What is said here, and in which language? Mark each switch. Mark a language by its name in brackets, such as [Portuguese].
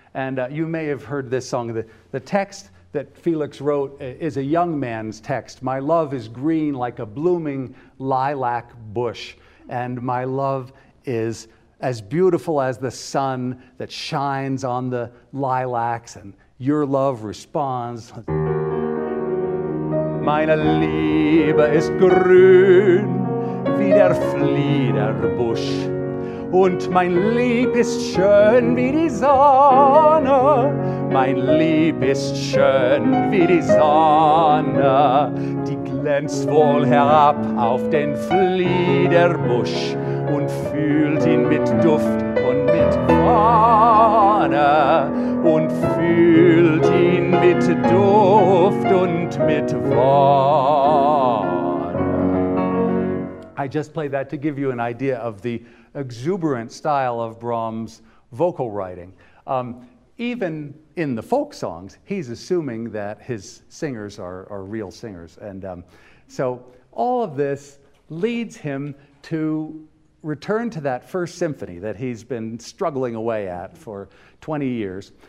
[English] And you may have heard this song. The text that Felix wrote is a young man's text. My love is green like a blooming lilac bush, and my love is as beautiful as the sun that shines on the lilacs, and your love responds. [German] Meine Liebe ist grün wie der Fliederbusch, und mein Lieb ist schön wie die Sonne. Mein Lieb ist schön wie die Sonne, die glänzt wohl herab auf den Fliederbusch und fühlt ihn mit Duft und mit Wonne. Und fühlt ihn mit Duft und mit Wonne. [English] I just played that to give you an idea of the exuberant style of Brahms' vocal writing. Even in the folk songs, he's assuming that his singers are real singers. And so all of this leads him to return to that first symphony that he's been struggling away at for 20 years.